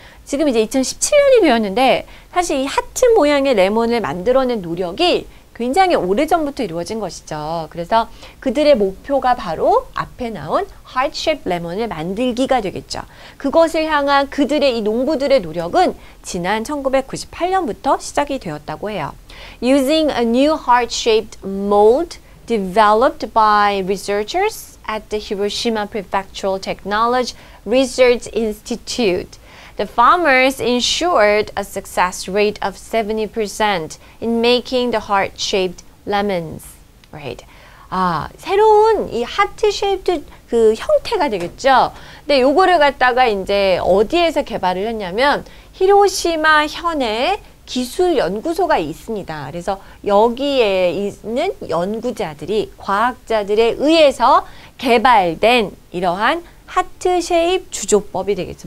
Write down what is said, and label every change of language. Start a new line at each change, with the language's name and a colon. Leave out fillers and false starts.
Korean: 지금 이제 2017년이 되었는데 사실 이 하트 모양의 레몬을 만들어낸 노력이 굉장히 오래전부터 이루어진 것이죠. 그래서 그들의 목표가 바로 앞에 나온 heart-shaped lemon을 만들기가 되겠죠. 그것을 향한 그들의 이 농부들의 노력은 지난 1998년부터 시작이 되었다고 해요.
English: Using a new heart-shaped mold developed by researchers at the Hiroshima Prefectural Technology Research Institute, the farmers ensured a success rate of 70% in making the heart-shaped lemons, right?
Korean: 아, 새로운 이 하트-쉐이프드 그 형태가 되겠죠? 근데 요거를 갖다가 이제 어디에서 개발을 했냐면 히로시마 현에 기술 연구소가 있습니다. 그래서 여기에 있는 연구자들이 과학자들에 의해서 개발된 이러한 하트 쉐입 주조법이 되겠죠.